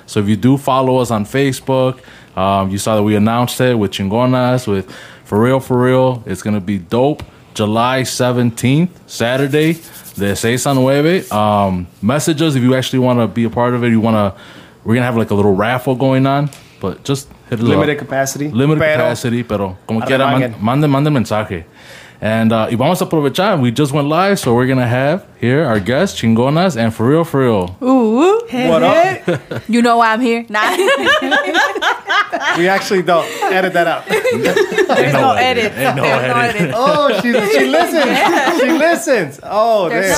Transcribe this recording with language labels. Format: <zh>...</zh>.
<en>So if you do follow us on Facebook, you saw that we announced it with Chingonas, with For Real, For Real. It's going to be dope. July 17th, Saturday, the 6-9. Message us if you actually want to be a part of it. We're going to have like a little raffle going on. But just hit it limited up. Capacity.</en> <es>Limited pero, capacity, pero como quiera, mande mensaje. And y vamos a aprovechar.</es> <en>We just went live, so we're going to have here our guest, Chingonas, and For Real, For Real. Ooh. Hey, what up? You know why I'm here? Nah. We actually don't. Edit that out. There's no edit. Oh, she listens. Yeah. She listens. Oh, there.</en>